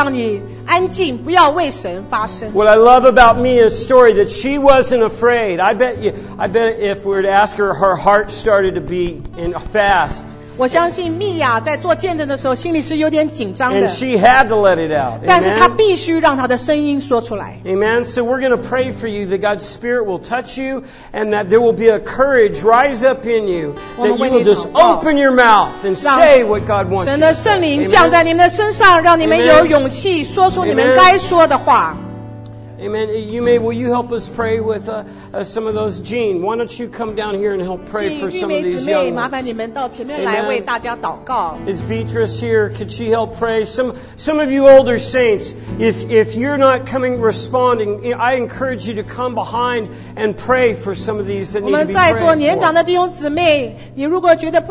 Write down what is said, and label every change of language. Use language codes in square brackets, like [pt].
[en] What I love about Mia's story is that she wasn't afraid. I bet if we were to ask her, her heart started to beat in fast. [zh] 我相信蜜雅在做见证的时候心里是有点紧张的。 [en] And she had to let it out. [zh] 但是她必须让她的声音说出来。 [en] Amen. So we're going to pray for you that God's Spirit will touch you and that there will be a courage rise up in you that you will just open your mouth and say what God wants you to say. [zh] 神的圣灵降在你们的身上, 让你们有勇气说出你们该说的话。 [en] Amen. Will you help us pray with some of those? Jean, why don't you come down here and help pray for some of these young ones? Is Beatrice here? Could she help pray? Some of you older saints, if you're not coming responding, I encourage you to come behind and pray for some of these that need to be prayed for.